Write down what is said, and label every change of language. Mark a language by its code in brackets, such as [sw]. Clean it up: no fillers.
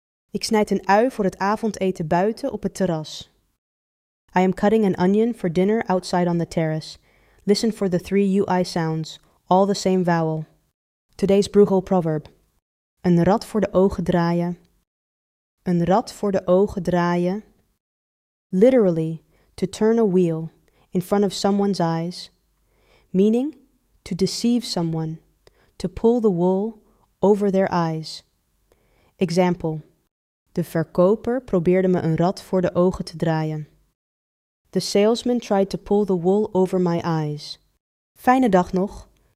[nl] Ik snijd een ui voor het avondeten buiten op het terras. [en] I am cutting an onion for dinner outside on the terrace. Listen for the three UI sounds, all the same vowel. Today's Bruegel proverb. [nl] Een rat voor de ogen draaien. Een rat voor de ogen draaien. [en] Literally, to turn a wheel in front of someone's eyes. Meaning, to deceive someone, to pull the wool over their eyes. Example. [nl] De verkoper probeerde me een rat voor de ogen te draaien. [en] The salesman tried to pull the wool over my eyes. [nl] Fijne dag nog!